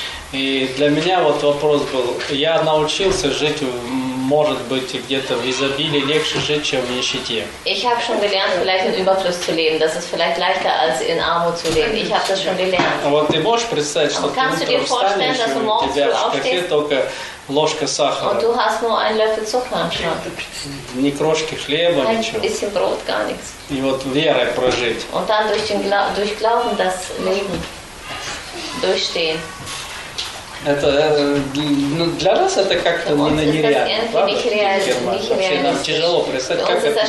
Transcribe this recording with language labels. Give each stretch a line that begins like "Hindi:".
Russian: И для меня вот вопрос был: я научился жить в, может быть, где-то в изобилии легче жить, чем в нищете.
German: Ich habe schon gelernt, vielleicht in Überfluss zu leben. Das ist vielleicht leichter als in Armut zu leben. Ich habe das schon gelernt.
Russian: А вот ты можешь представить, что ты утром встанешь, и у тебя в шкафе только ложка сахара.
German: Und du hast nur einen Löffel Zucker schon.
Russian: Ни крошки хлеба, ничего.
German: Ein bisschen Brot, gar nichts.
Russian: И вот верой прожить.
German: Und dann durch Glauben das Leben durchstehen.
Russian: Это, ну, для нас это как-то нереально, не вообще нам тяжело представить, как это